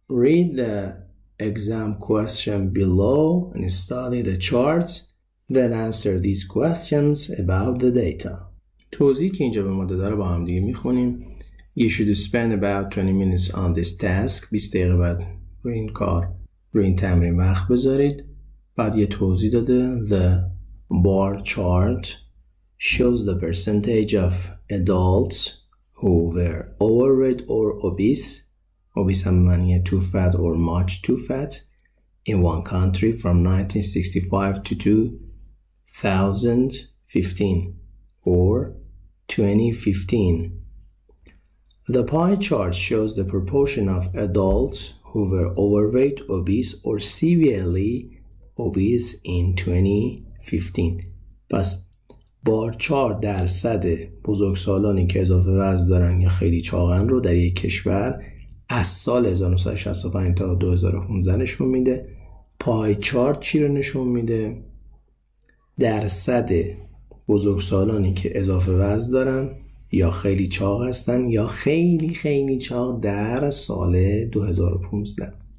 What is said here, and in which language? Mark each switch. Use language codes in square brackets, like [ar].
[en] Read the exam question below and study the charts, then answer these questions about the data. [fa] توضیح که اینجا به ما داده رو با هم دیگه میخونیم. [en] You should spend about 20 minutes on this task. [fa] 20 دقیقه بعد روی این کار، روی این تمرین وقت بذارید. بعد یه توضیح داده. [en] The bar chart shows the percentage of adults who were overweight or obese. Obese [fa] هم معنی [en] too fat or much too fat in one country from 1965 to 2015 or 2015. The pie chart shows the proportion of adults who were overweight, obese or severely obese in 2015. [fa] پس بار چارت درصد بزرگسالانی که اضافه وزن دارن یا خیلی چاقن رو در یک کشور از سال 1965 تا 2015 نشون میده. پای چارت چی رو نشون میده؟ درصد بزرگسالانی که اضافه وزن دارن یا خیلی چاق هستن یا خیلی خیلی چاق در سال 2015.